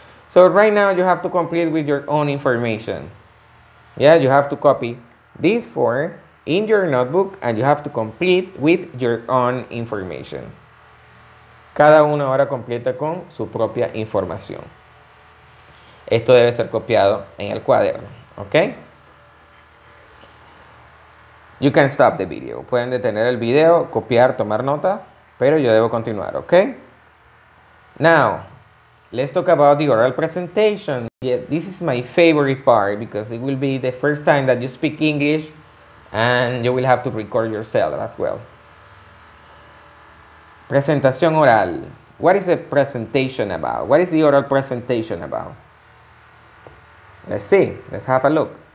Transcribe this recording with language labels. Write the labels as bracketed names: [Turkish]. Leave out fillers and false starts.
[English] So right now you have to complete with your own information. Yeah, you have to copy this form in your notebook and you have to complete with your own information. [Spanish] Cada uno ahora completa con su propia información. Esto debe ser copiado en el cuaderno, ¿ok? [English] You can stop the video. [Spanish] Pueden detener el video, copiar, tomar nota, pero yo debo continuar, ¿ok? [English] Now, let's talk about the oral presentation. Yeah, this is my favorite part because it will be the first time that you speak English and you will have to record yourself as well. [Spanish] Presentación oral. [English] What is the presentation about? What is the oral presentation about? Let's see. Let's have a look.